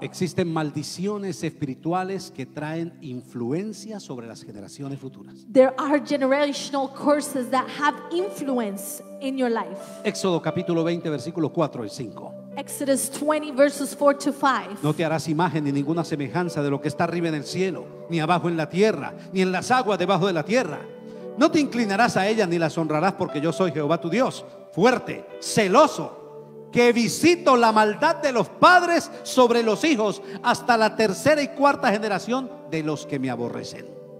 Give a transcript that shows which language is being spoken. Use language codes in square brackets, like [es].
[es] Existen maldiciones espirituales que traen influencia sobre las generaciones futuras. [en] There are generational curses that have influence in your life. [es] Éxodo capítulo 20 versículo 4 y 5. [en] Exodus 20 verses 4 to 5. [es] No te harás imagen ni ninguna semejanza de lo que está arriba en el cielo, ni abajo en la tierra, ni en las aguas debajo de la tierra. No te inclinarás a ellas ni las honrarás, porque yo soy Jehová tu Dios, fuerte, celoso, que visito la maldad de los padres sobre los hijos hasta la tercera y cuarta generación de los que me aborrecen.